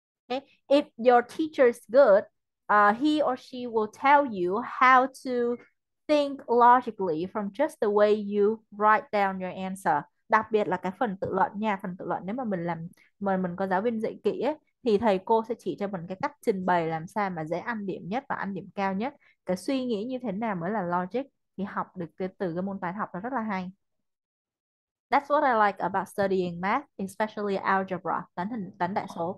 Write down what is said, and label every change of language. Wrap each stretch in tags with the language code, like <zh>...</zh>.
<en>Okay, if your teacher is good, he or she will tell you how to think logically from just the way you write down your answer.</en> <vi>Đặc biệt là cái phần tự luận nha, phần tự luận nếu mà mình có giáo viên dạy kỹ ấy, thì thầy cô sẽ chỉ cho mình cái cách trình bày làm sao mà dễ ăn điểm nhất và ăn điểm cao nhất. Cái suy nghĩ như thế nào mới là logic thì học được cái từ cái môn toán học nó rất là hay.</vi> <en>That's what I like about studying math, especially algebra,</en> <vi>toán đại số.</vi>